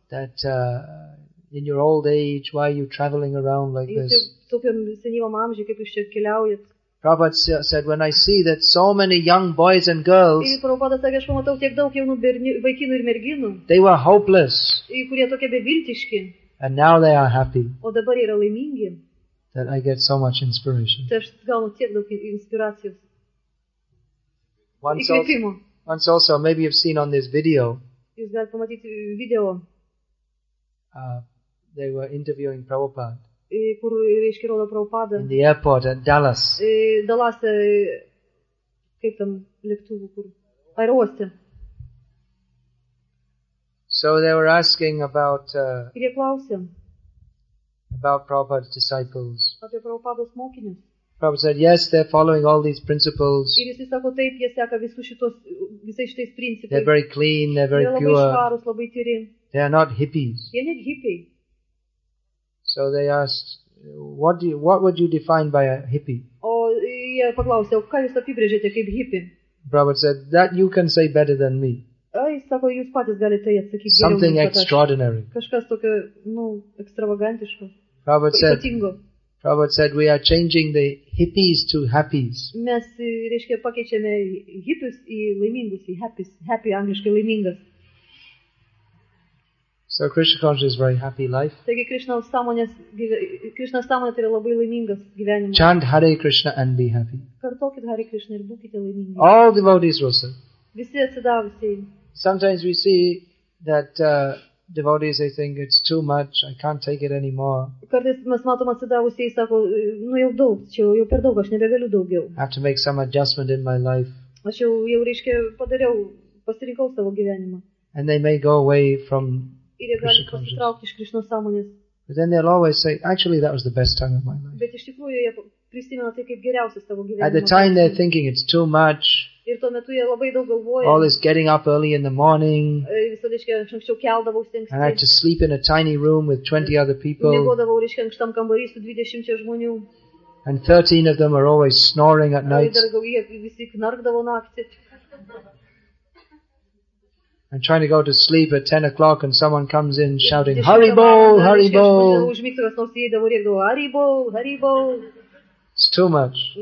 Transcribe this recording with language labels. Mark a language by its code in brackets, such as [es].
[en] That in your old age, why are you traveling around like this? [lt] Jūs tokiam senyvam amžiui, kaip jūs čia keliaujat? [en] Prabhupada said, when I see that so many young boys and girls. [lt] Ir Prabhupadas sakė, aš pamatau tiek daug jaunų vaikinų ir merginų. [en] They were hopeless. [lt] Ir kurie tokie beviltiški. [en] And now they are happy. [lt] O dabar yra laimingi. [en] That I get so much inspiration. [lt] Tai aš gaunu tiek daug inspiracijos. [en] Once also, maybe you've seen on this video. [lt] Jūs galite pamatyti video. [en] They were interviewing Prabhupada. [lt] Kur reiškia rodo Prabhupada. [en] In the airport at Dallas. [lt] Dallas, kaip tam lėktuvų, kur? Aerouoste. [en] So they were asking about. [lt] Ir jie klausė. [en] About Prabhupada's disciples. [lt] Apie Prabhupados mokinius. [en] Prabhupada said, yes, they're following all these principles. [lt] Ir jis sako, taip, jie seka visais šitais principais. [en] They're very clean, they're very pure. [lt] Labai švarūs, labai tyri. [en] They are not hippies. [lt] Jie net hippie. [en] So they asked, what would you define by a hippie? [lt] O jie paklausė, o ką jūs apibrėžėte kaip hippie? [en] Prabhupada said, that you can say better than me. [lt] Jis sako, jūs patys galite atsakyti. [en] Something extraordinary. [lt] Kažkas tokio, ekstravagantiško. [en] Prabhupada said, Prabhupada said, we are changing the hippies to happies. [lt] Mes, reiškia, pakeičiame hipius į laimingus, į happies, happy, angliškai laimingas. [en] So Krishna consciousness is very happy life. [lt] Taigi Krishna sąmonė yra labai laimingas gyvenimas. [en] Chant Hare Krishna and be happy. [lt] Kartokit Hare Krishna ir būkite laimingi. [en] All devotees will say. [lt] Visi atsidavusiai. [en] Sometimes we see that devotees they think it's too much, I can't take it anymore. [lt] Kartais mes matom atsidavusiai sako, nu jau daug, čia jau per daug, aš nebegaliu daugiau. [en] I have to make some adjustment in my life. [lt] Aš jau reiškia padariau, pasirinkau savo gyvenimą. [en] And they may go away from [lt] ir jie gali pasitraukti iš Krishna sąmonės. [en] But then they'll always say, actually that was the best time of my life. [lt] Bet iš tikrųjų jie prisimena tai kaip geriausias savo gyvenimo. [en] At the time they're thinking it's too much. [lt] Ir tuo metu jie labai daug galvoja. [en] All this getting up early in the morning. [lt] Visada, reiškia, anksčiau keldavausi anksti. [en] And I had to sleep in a tiny room with 20 other people. [lt] Miegodavau, reiškia, ankštam kambary su 20 žmonių. [en] And 13 of them are always snoring at night. [lt] Visi knarkdavo naktį. [en] I'm trying to go to sleep at 10 o'clock and someone comes in shouting, Haribol, Haribol. It's too much.